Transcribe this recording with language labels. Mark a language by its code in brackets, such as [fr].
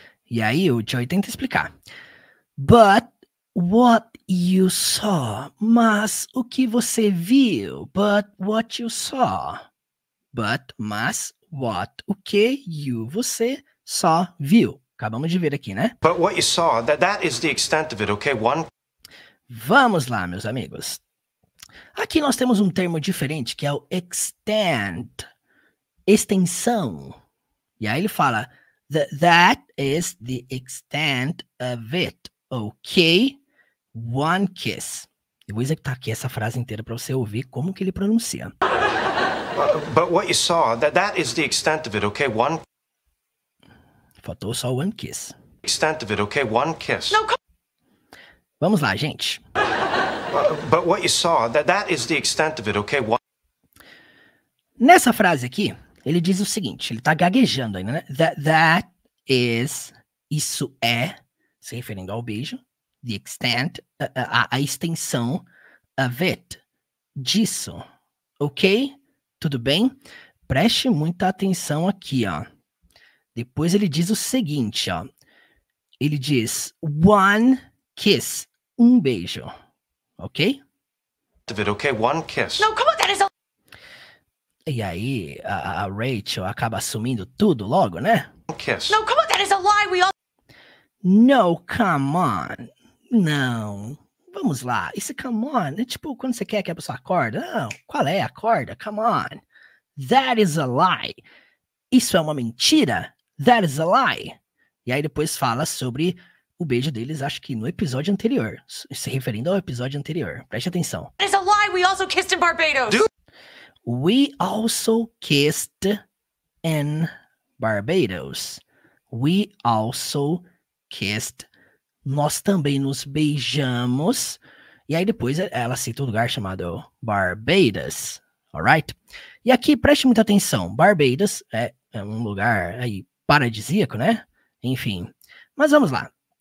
[pt] E aí, o Joey tenta explicar. [en] But what you saw... [pt] Mas o que você viu? [en] But what you saw... But, [pt] mas, [en] what, [pt] o que, [en] you, [pt] você, só, viu. Acabamos de ver aqui, né? [en] But what you saw, that is the extent of it, okay? One. [pt] Vamos lá, meus amigos. Aqui nós temos um termo diferente, que é o extent, extensão. E aí ele fala, [en] that is the extent of it, okay? One kiss. [pt] Eu vou executar aqui essa frase inteira para você ouvir como que ele pronuncia. [en] But what you saw, that is the extent of it, okay? One. [pt] Faltou só [en] one kiss. Extent of it, okay? One kiss. [pt] No, vamos lá, gente. [en] But what you saw, that is the extent of it, okay? One. [pt] Nessa frase aqui, ele diz o seguinte, ele tá gaguejando ainda, né? [en] That is, [pt] isso é, se referindo ao beijo, [en] the extent, [pt] a extensão [en] of it, [pt] disso, ok? Tudo bem? Preste muita atenção aqui, ó. Depois ele diz o seguinte, ó. Ele diz, [en] one kiss, [pt] um beijo. [en] Ok? [pt] Ok, one kiss. [en] No, come on, that is a... [pt] E aí, a Rachel acaba assumindo tudo logo, né? [en] One kiss. No, come on, that is a lie, we all... No, come on. [pt] Não. Vamos lá, esse come on, é tipo quando você quer que a pessoa acorde. Não, qual é? Acorda, [en] come on. That is a lie. [pt] Isso é uma mentira? [en] That is a lie. [pt] E aí depois fala sobre o beijo deles, acho que no episódio anterior. Se referindo ao episódio anterior, preste atenção. [en] That is a lie, we also kissed in Barbados. We also kissed in Barbados. We also kissed... [pt] Nós também nos beijamos. E aí depois ela cita um lugar chamado Barbados. Alright? E aqui, preste muita atenção. Barbados é um lugar aí paradisíaco, né? Enfim. Mas vamos lá.